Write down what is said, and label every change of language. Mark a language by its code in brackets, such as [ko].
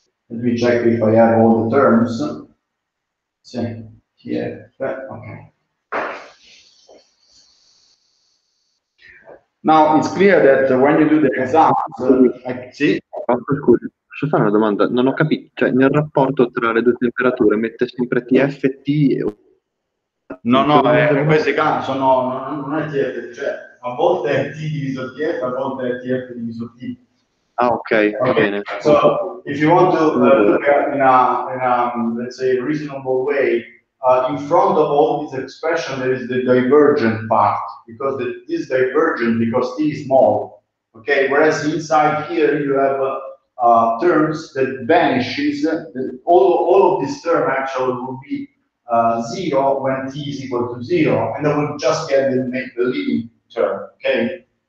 [en] Let me check if I have all the terms. Same. Yeah, okay. Now it's clear that when you do the exam, see. [it] Posso fare una domanda? Non ho capito. Cioè, nel rapporto tra le due temperature mette sempre TF e T? No, no, in questi casi sono, non è TF, cioè a volte è T diviso TF, a volte è TF diviso T. Ah, okay. Okay, bene. [en] So, if you want to look at in a let's say, reasonable way, in front of all these expressions, there is the divergent part, because this divergent, because T is small, okay? Whereas inside here, you have terms that vanishes, all of this term actually will be zero when T is equal to zero, and I will just get the leading term, okay?